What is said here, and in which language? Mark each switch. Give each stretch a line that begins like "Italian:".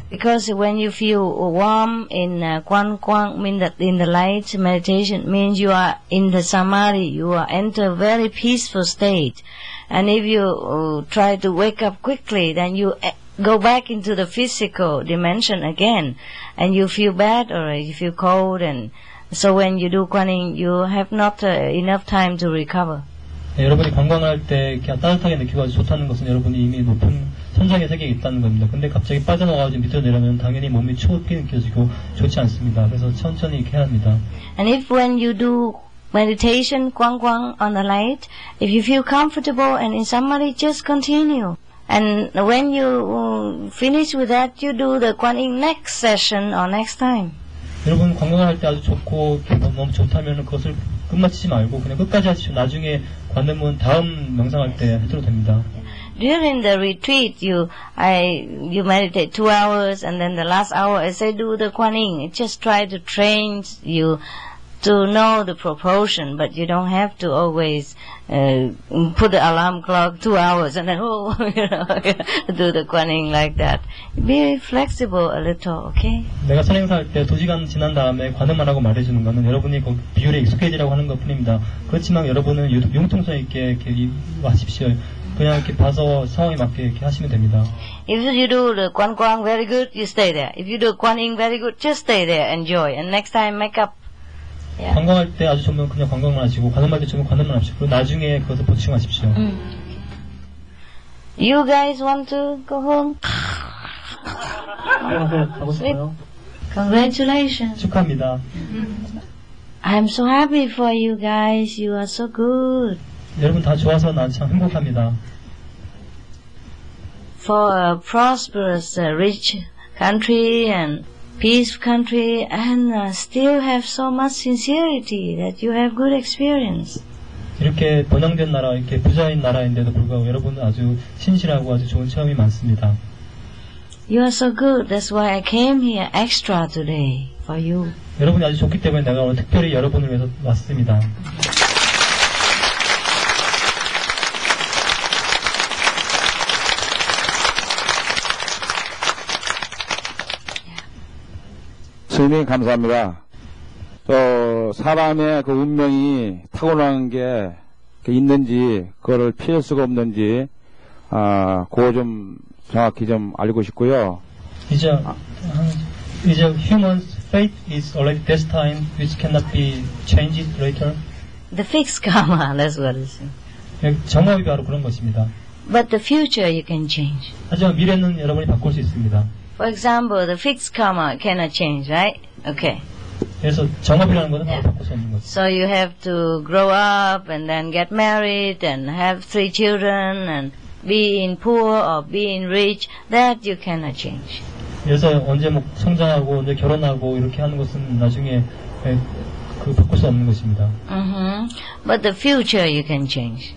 English: Because when you feel warm in Guanguang, mean that in the light meditation, means you are in the samadhi, you are enter very peaceful state. And if you try to wake up quickly, then you go back into the physical dimension again, and you feel bad or you feel cold. And so when you do Kuan Yin, you have not enough time to recover.
Korean: 네, 여러분이 관광할 때 따뜻하게 느끼고 아주 좋다는 것은 여러분이 이미 높은 천장의 세계에 있다는 겁니다. 근데 갑자기 빠져나가서 밑으로 내려오면 당연히 몸이 추워지게 느껴지고 좋지 않습니다. 그래서 천천히 이렇게 해야 합니다.
English: And if when you do meditation, guangguang on the light, if you feel comfortable and in summary, just continue. And when you finish with that, you do the Kuan Yin next session or next time.
Korean: 여러분 관광할 때 아주 좋고 너무 좋다면 그것을 끝마치지 말고 그냥 끝까지 하십시오. 나중에 관음은 다음 명상할 때 해도 됩니다.
English: During the retreat, you meditate 2 hours, and then the last hour, as I do the Kuan Yin, just try to train you to know the proportion, but you don't have to always put the alarm clock 2 hours and then, oh, you know, do the Kuan Yin like that. Be flexible a little, okay?
Korean: 내가 선행사 할 때 2시간 지난 다음에 관음만 하고 말해주는 것은 여러분이 그 비율에 익숙해지라고 하는 것 뿐입니다. 그렇지만 여러분은 융통성 있게 와십시오. 그냥 이렇게 봐서 상황에 맞게 이렇게 하시면 됩니다.
English: If you do the Kuan Guang very good, you stay there. If you do Kuan Yin very good, just stay there, enjoy. And next time, make up. Yeah.
Korean: 관광할 때 아주 좋으면 그냥 관광만 하시고 관음할 때 좋으면 관음만 하십시오. 그리고 나중에 그것을 보충하십시오.
English: You guys want to go home?
Korean: 가고 싶어요.
English: Congratulations.
Korean: 축하합니다.
English: I'm so happy for you guys. You are so good.
Korean: 여러분 다 좋아서 난 참 행복합니다.
English: For a prosperous, rich country and peaceful country, and still have so much sincerity that you have good experience.
Korean: 이렇게 번영된 나라, 이렇게 부자인 나라인데도 불구하고 여러분은 아주 신실하고 아주 좋은 체험이 많습니다.
English: You are so good. That's why I came here extra today for you.
Korean: 여러분이 아주 좋기 때문에 내가 오늘 특별히 여러분을 위해서 왔습니다. So, 감사합니다. 사람의 그 운명이 타고난 게 있는지, 그거를 피할 수가 없는지, 그거 좀 정확히 좀 알고 싶고요.
English: Is a human's fate is already destined, which cannot be changed later? The fixed karma, that's what it is.
Korean: 정답이 바로 그런 것입니다.
English: But the future you can change.
Korean: 하지만 미래는 여러분이 바꿀 수 있습니다.
English: For example, the fixed karma cannot change, right? Okay.
Korean: 그래서 정업이라는 것은 바로 바꿀 수 있는 거죠.
English: So you have to grow up and then get married and have 3 children and be in poor or be in rich. That you cannot change.
Korean: 그래서 언제 뭐 성장하고 언제 결혼하고 이렇게 하는 것은 나중에 그 바꿀 수 없는 것입니다.
English: But the future you can change.